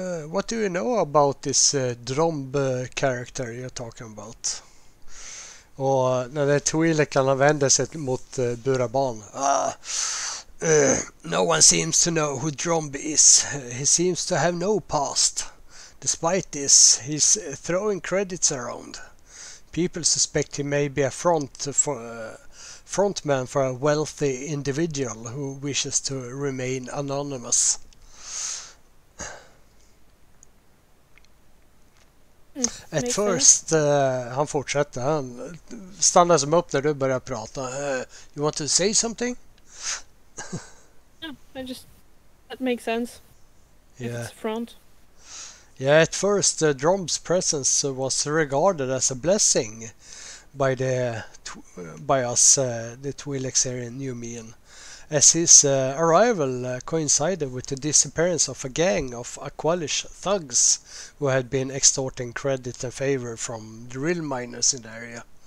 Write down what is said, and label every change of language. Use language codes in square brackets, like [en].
[en] What do you know about this Dromb character you're talking about? [sv] Och när den Twi'leken vänder sig mot Buraban. [en] No one seems to know who Dromb is. He seems to have no past. Despite this, he's throwing credits around. People suspect he may be a frontman for a wealthy individual who wishes to remain anonymous. At first, [sv] han fortsätter, han stannar som upp när du börjar prata. [en] You want to say something? That makes sense. Yeah. It's front. Yeah, at first, Drom's presence was regarded as a blessing by the Twi'leks here in Numean, as his arrival coincided with the disappearance of a gang of Aqualish thugs who had been extorting credit and favor from drill miners in the area.